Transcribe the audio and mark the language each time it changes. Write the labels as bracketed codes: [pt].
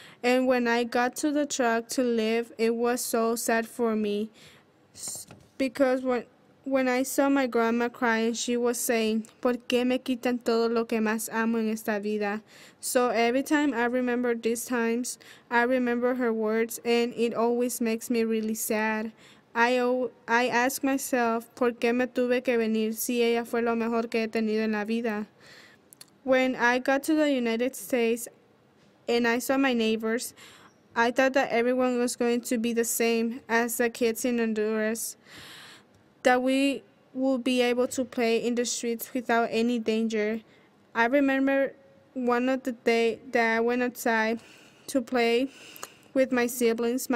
[en] And when I got to the truck to leave, it was so sad for me because when I saw my grandma crying, she was saying, [es] ¿Por qué me quitan todo lo que más amo en esta vida? [en] So every time I remember these times, I remember her words, and it always makes me really sad. I ask myself, [es] ¿Por qué me tuve que venir si ella fue lo mejor que he tenido en la vida? [en] When I got to the United States and I saw my neighbors, I thought that everyone was going to be the same as the kids in Honduras, that we will be able to play in the streets without any danger. I remember one of the day that I went outside to play with my siblings.